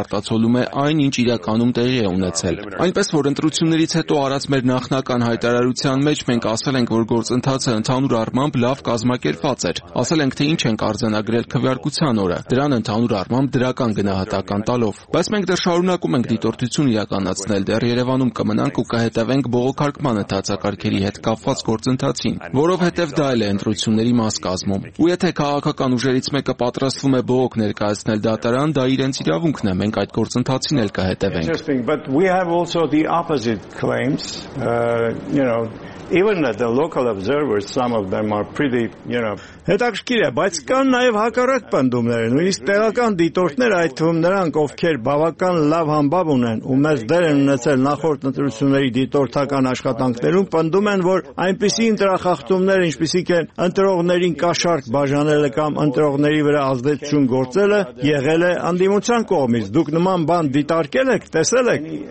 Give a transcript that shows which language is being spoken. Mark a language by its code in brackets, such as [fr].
[hy] արտացոլում է այն, ինչ իրականում տեղի է ունեցել։ Այնպես որ ընտրություններից հետո առած մեր նախնական հայտարարության մեջ մենք ասել ենք, որ գործընթացը ընդհանուր առմամբ լավ կազմակերպված էր։ Ասել ենք, թե ինչ ենք արձանագրել քվեարկության օրը, դրան ընդհանուր առմամբ դրական գնահատական տալով։ Բայց մենք դեռ շարունակում ենք դիտորդություն իրականացնել, դեռ Երևանում կմնանք ու կհետևենք բողոքարկման ընթացակարգերի հետ կապված գործընթացին, որովհետև դա էլ է ընտրությունների մաս կազմում։ Ու եթե քաղաքական ուժերից մեկը պատրաստվում է բողոք ներկայացնել դատարան, դա իրենց իրավունքն է, մենք այդ գործընթացին էլ կհետևենք։ [en] But we have also the opposite claims, you know, even that the local observers, some of them are pretty, you know. [hy] Հետաքրքիր է, բայց կան նաև հակառակ պնդումներ, նույնիսկ տեղական դիտորդները այդվում նրանք, ովքեր բավական լավ համբավ ունեն ու մեծ դեր են ունեցել նախորդ ընտրությունների դիտորդական աշխատանքներում, պնդում են, որ այնպիսի ինտերախախտումներ, ինչպիսիք են ընտրողներին կաշառք բաժանելը կամ ընտրողների վրա ազդեցություն գործելը, եղել է անդիմության կողմից։ Դուք նման բան դիտարկել եք, տեսել եք?